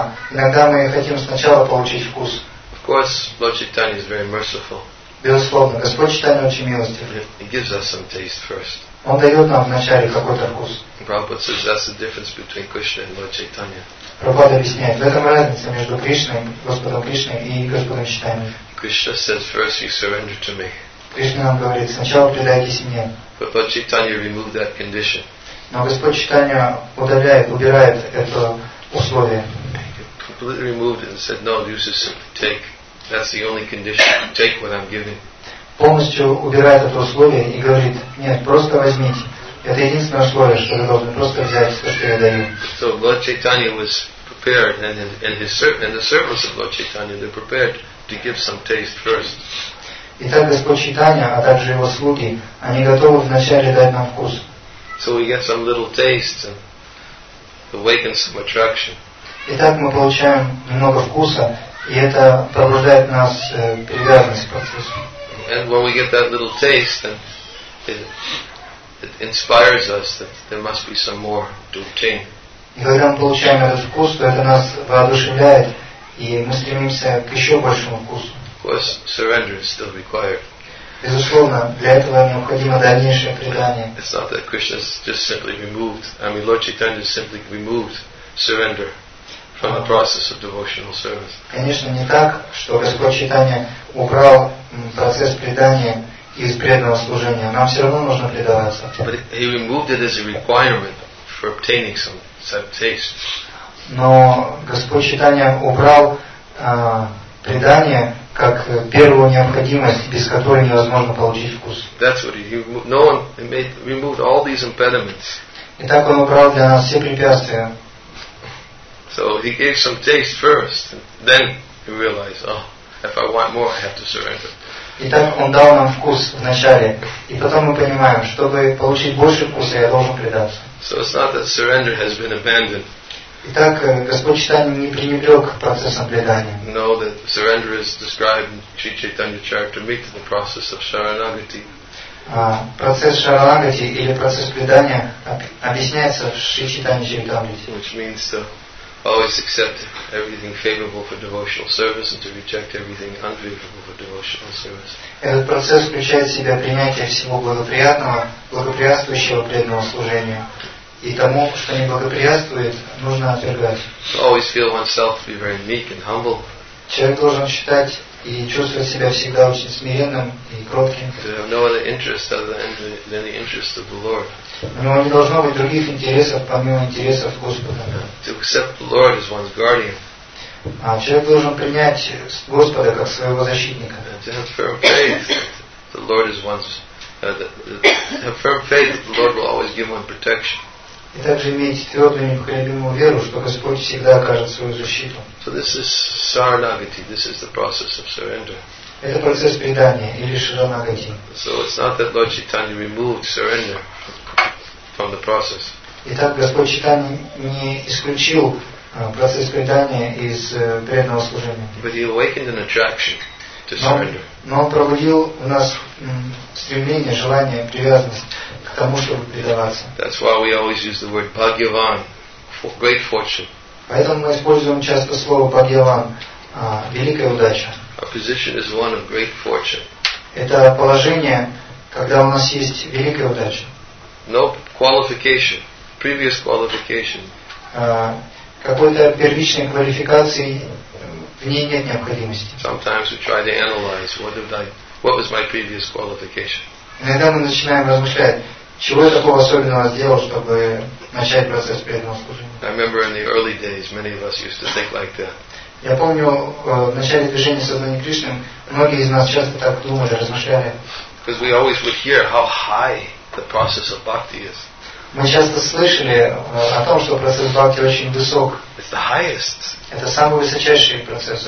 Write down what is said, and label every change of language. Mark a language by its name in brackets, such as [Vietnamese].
[Russian] Иногда мы хотим сначала получить вкус. [English] Of course, Lord Chaitanya is very merciful. [Russian] Безусловно, Господь Чайтанья очень милостив. [English] He gives us some taste first. [Russian] Он дает нам вначале какой-то вкус. [English] Prabhupada says that's the difference between Krishna and Lord Chaitanya. [Russian] Прабхупада объясняет, в этом разница между Кришной, Господом Кришной и Господом Чайтанья. [English] Krishna says first you surrender to me. [Russian] Кришна нам говорит, сначала предайтесь мне. [English] But Lord Chaitanya removed that condition. [Russian] Но Господь Чайтанья убирает это. [English] He completely removed it and said, "No, you just simply take. That's the only condition. Take what I'm giving." [Russian] Полностью убирает это условие и говорит: "Нет, просто возьмите. Это единственное условие, что вы должны просто взять то, что я даю." [English] So Lord Chaitanya was prepared, and the servants of Lord Chaitanya they're prepared to give some taste first. [Russian] Итак, Господь Чайтанья, а также его слуги, они готовы вначале дать нам вкус. [English] So we get some little taste. Awaken some attraction. [Russian] Итак, мы получаем немного вкуса, и это пробуждает нас привязанность к процессу. [English] And when we get that little taste, then it inspires us that there must be some more to obtain. [Russian] И когда мы получаем этот вкус, то это нас воодушевляет, и мы стремимся к еще большему вкусу. [English] Of course, surrender is still required. [Russian] Безусловно, для этого необходимо дальнейшее предание. [English] It's not that Krishna has just simply removed. I mean, Lord Chaitanya simply removed surrender from the process of devotional service. [Russian] Конечно, не так, что Господь Чайтанья убрал процесс предания из преданного служения. Нам все равно нужно предаваться. [English] But he removed it as a requirement for obtaining some taste. [Russian] Но Господь Чайтанья убрал предание как первую необходимость, без которой невозможно получить вкус. [English] That's what he removed. No one made, removed all these impediments. [Russian] И так он убрал для нас все препятствия. [English] So he gave some taste first, and then he realized, oh, if I want more, I have to surrender. [Russian] И так он дал нам вкус вначале, и потом мы понимаем, чтобы получить больше вкуса, я должен предаться. [English] So it's not that surrender has been abandoned. [Russian] Итак, Господь Чайтанья не пренебрег процессом предания. [English] No, that surrender is described in Sri Chaitanya Charitamrita, the process of Sharanagati. [Russian] Процесс Шаранагати или процесс предания объясняется в Sri Chaitanya Charitamrita. [English] Which means to always accept everything favorable for devotional service and to reject everything unfavorable for devotional service. [Russian] Этот процесс включает в себя принятие всего благоприятного, благоприятствующего преданного служения. И тому, что неблагоприятствует, нужно отвергать. [English] Always feel oneself to be very meek and humble. [Russian] Человек должен считать и чувствовать себя всегда очень смиренным и кротким. [English] To have no other interest other than the interest of the Lord. [Russian] У него не должно быть других интересов, помимо интересов Господа. [English] To accept the Lord as one's guardian. [Russian] А человек должен принять Господа как своего защитника. [English] To have firm faith that the Lord is one's have firm faith that the Lord will always give one protection. [Russian] И также иметь твердую непоколебимую веру, что Господь всегда окажет свою защиту. [English] So this is Saranagati. This is the process of surrender. [Russian] Это процесс предания или Шаранагати. [English] So it's not that Lord Chaitanya removed surrender from the process. [Russian] Итак, Господь Чайтанья не исключил процесс предания из преданного служения. [English] But he awakened an attraction to surrender. [Russian] Но он пробудил у нас стремление, желание, привязанность. Тому, [English] That's why we always use the word Bhagyavan, for great fortune. [Russian] Поэтому мы используем часто слово Bhagyavan, великая удача. [English] Our position is one of great fortune. [Russian] Это положение, когда у нас есть великая удача. [English] No qualification, previous qualification. [Russian] Какой-то первичной квалификации в ней нет необходимости. [English] Sometimes we try to analyze what was my previous qualification. [Russian] Иногда мы начинаем размышлять, чего я такого особенного сделал, чтобы начать процесс преданного служения. [English] I remember in the early days, many of us used to think like that. [Russian] Я помню, в начале движения сознания Кришны многие из нас часто так думали, размышляли. [English] Because we always would hear how high the process of bhakti is. [Russian] Мы часто слышали о том, что процесс бхакти очень высок. [English] It's the highest. [Russian] Это самый высочайший процесс.